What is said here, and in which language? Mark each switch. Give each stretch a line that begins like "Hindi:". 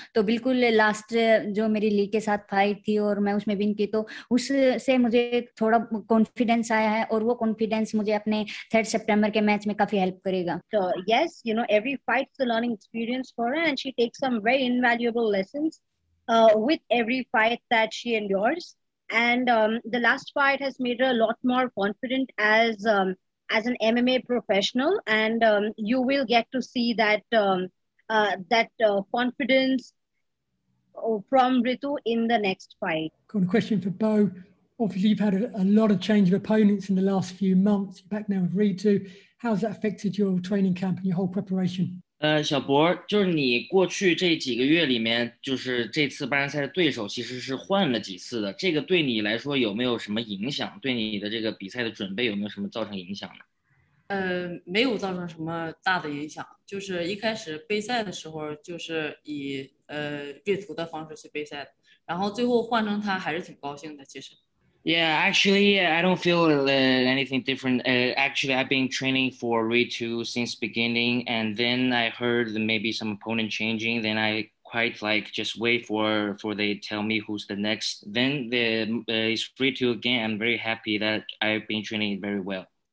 Hindi: तो बिल्कुल लास्ट जो मेरी ली के साथ फाइट थी और मैं उसमें विन की, तो उससे मुझे थोड़ा कॉन्फिडेंस आया है, और वो कॉन्फिडेंस मुझे अपने 3 सितंबर के मैच में काफी हेल्प करेगा.
English: तो yes, you know, every fight is a learning experience for her, and she takes some very invaluable lessons with every fight that she endures. And the last fight has made her a lot more confident as an MMA professional. And you will get to see that confidence from Ritu in the next fight. Got a question for Bo. Obviously, you've had a lot of change of opponents in the last few months. You're back now with Ritu. How has that affected your training camp and your whole preparation?
Chinese: 小博，就是你过去这几个月里面，就是这次八人赛的对手其实是换了几次的，这个对你来说有没有什么影响？对你的这个比赛的准备有没有什么造成影响呢？没有造成什么大的影响，就是一开始备赛的时候就是以瑞图的方式去备赛的，然后最后换成他还是挺高兴的其实。
English: Yeah, actually, I don't feel anything different. Actually, I've been training for Ritu since beginning, and then I heard maybe some opponent changing. Then I quite like just wait for they tell me who's the next. Then it's Ritu again. I'm very happy that I've been training very well.